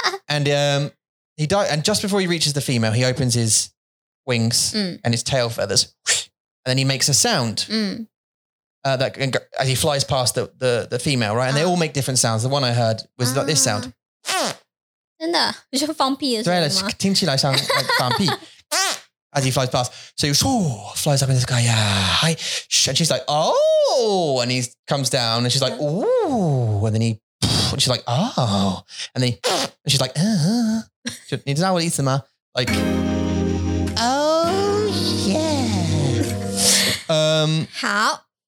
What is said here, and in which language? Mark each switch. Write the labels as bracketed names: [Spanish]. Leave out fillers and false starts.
[English] And he dives, and just before he reaches the female, he opens his wings and his tail feathers, and then he makes a sound that as he flies past the female, right? And they all make different sounds. The one I heard was like this sound. [Chinese] 真的，你说放屁的声音吗？对了，听起来像放屁。 [English] As he flies past, so he flies up in the sky, and she's like, oh, and he comes down, and she's like, ooh, and then he, and she's like, oh, and then he, and she's like, Need to know what he's doing, like, oh yeah, how?